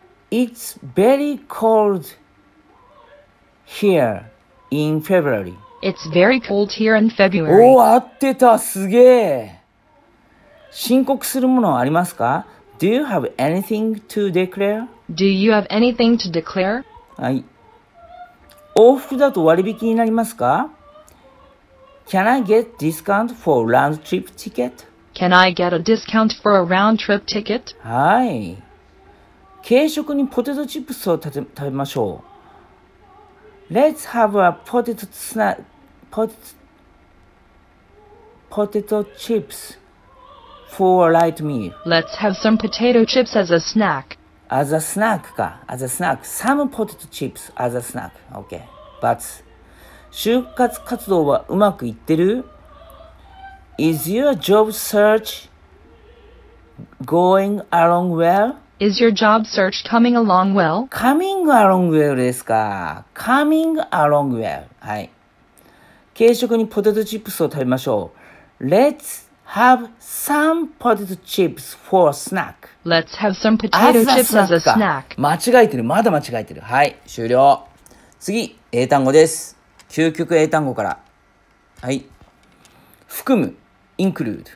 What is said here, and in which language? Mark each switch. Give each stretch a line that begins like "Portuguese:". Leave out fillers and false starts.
English: It's very cold here in February. It's very cold here in February.
Japanese: おお、合ってた。すげえ。申告するものありますか？
English: Do you have anything to declare? Do you have anything to declare?
Japanese: はい。往復だと割引になりますか？
English: Can I get discount for round trip ticket? Can I get a discount for a round trip ticket?
Japanese: はい。軽食にポテトチップスを食べましょう。
English: Let's have a potato snack. Potato chips for a light meal. Let's have some potato chips as a snack. As a snack か。As a snack. Some potato chips as a snack. Okay.
Japanese: But, 就活活動はうまくいってる？
English: Is your job search going along well? Is your job search coming along well? Coming along well
Japanese: ですか。
English: Coming along well。
Japanese: はい。軽食にポテトチップスを食べましょう。
English: Let's have some potato chips for a snack. Let's have some potato chips as a snack.
Japanese: 間違えてる。まだ間違えてる。はい。終了。次、英単語です。究極英単語から。はい。含む。Include.